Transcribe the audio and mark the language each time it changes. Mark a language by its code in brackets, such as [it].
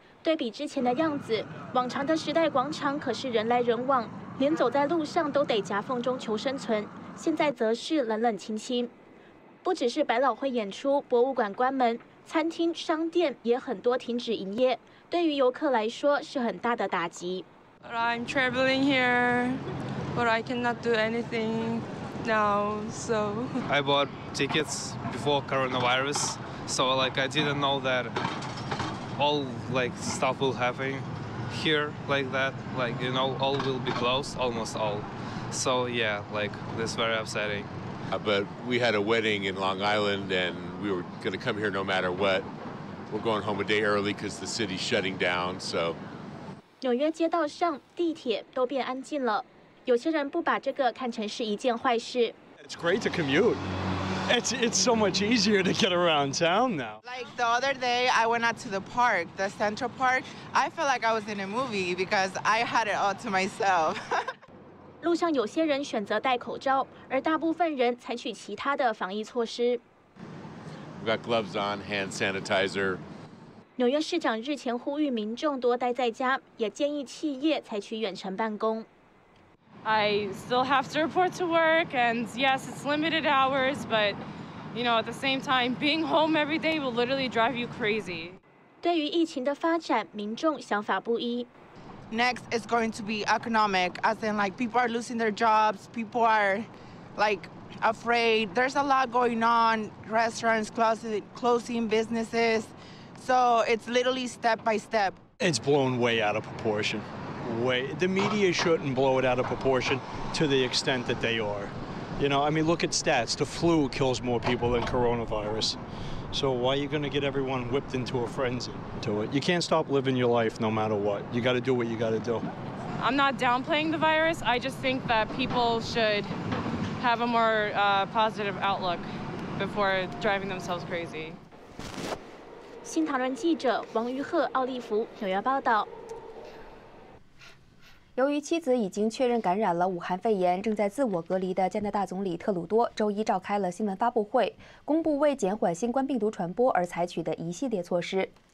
[zh] 对比之前的样子，往常的时代广场可是人来人往，连走在路上都得夹缝中求生存，现在则是冷冷清清。不只是百老汇演出、博物馆关门，餐厅、商店也很多停止营业，对于游客来说是很大的打击。 [en] But I'm traveling here, but I cannot do anything. Now, so I bought tickets before coronavirus, so like I didn't know that all like stuff will happen here like that, like, you know, all will be closed, almost all. So yeah, like, this is very upsetting. But we had a wedding in Long Island and we were going to come here no matter what. We're going home a day early because the city's shutting down, so. [zh] 纽约街道上地铁都变安静了，有些人不把这个看成是一件坏事。 [en] It's great to commute. It's so much easier to get around town now. Like the other day, I went out to the park, the Central Park. I felt like I was in a movie because I had it all to myself. [zh] 路上有些人选择戴口罩，而大部分人采取其他的防疫措施。 [en] We got gloves on, hand sanitizer. [zh] 纽约市长日前呼吁民众多待在家，也建议企业采取远程办公。 [en] I still have to report to work, and yes, it's limited hours, but you know, at the same time, being home every day will literally drive you crazy. [zh] 对于疫情的发展，民众想法不一。 [en] Next is going to be economic, as in like people are losing their jobs, people are like afraid. There's a lot going on, restaurants closing businesses. So it's literally step by step. It's blown way out of proportion. Way, the media shouldn't blow it out of proportion to the extent that they are. You know, I mean, look at stats. The flu kills more people than coronavirus. So why are you going to get everyone whipped into a frenzy to it? You can't stop living your life no matter what. You got to do what you got to do. I'm not downplaying the virus. I just think that people should have a more positive outlook before driving themselves crazy. [zh] 新唐人记者王于鹤、奥利弗，纽约报道。由于妻子已经确认感染了武汉肺炎，正在自我隔离的加拿大总理特鲁多周一召开了新闻发布会，公布为减缓新冠病毒传播而采取的一系列措施。